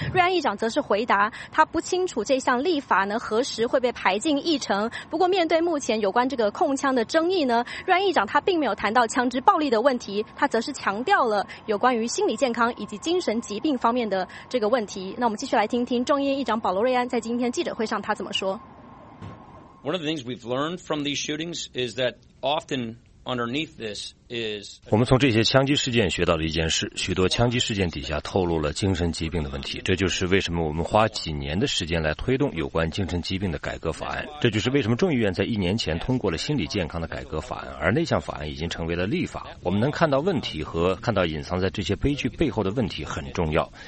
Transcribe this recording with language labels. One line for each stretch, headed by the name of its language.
Chinese: 瑞安议长则是回答他不清楚这项立法呢何时会被排进议程，不过面对目前有关这个控枪的争议呢，瑞安议长他并没有谈到枪支暴力的问题，他则是强调了有关于心理健康以及精神疾病方面的这个问题。那我们继续来听听众议院议长保罗·瑞安在今天记者会上他怎么说。
English: One of the things we've learned from these shootings is that often underneath this is
Chinese: 我们从这些枪击事件学到了一件事，许多枪击事件底下透露了精神疾病的问题。这就是为什么我们花几年的时间来推动有关精神疾病的改革法案。这就是为什么众议院在一年前通过了心理健康的改革法案，而那项法案已经成为了立法。我们能看到问题和看到隐藏在这些悲剧背后的问题很重要。